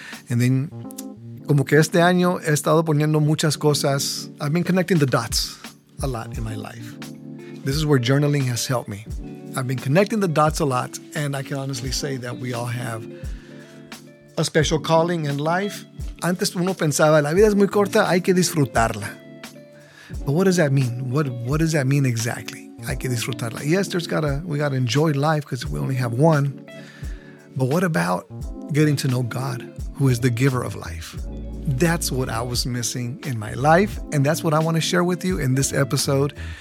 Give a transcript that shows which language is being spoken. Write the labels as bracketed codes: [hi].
[en] And then, [es] como que este año he estado poniendo muchas cosas. [en] I've been connecting the dots a lot in my life. This is where journaling has helped me. I've been connecting the dots a lot, and I can honestly say that we all have a special calling in life. [es] Antes uno pensaba, la vida es muy corta, hay que disfrutarla. [en] But what does that mean? What does that mean exactly? [es] Hay que disfrutarla. [en] Yes, we gotta enjoy life because we only have one. But what about getting to know God, who is the giver of life? That's what I was missing in my life. And that's what I want to share with you in this episode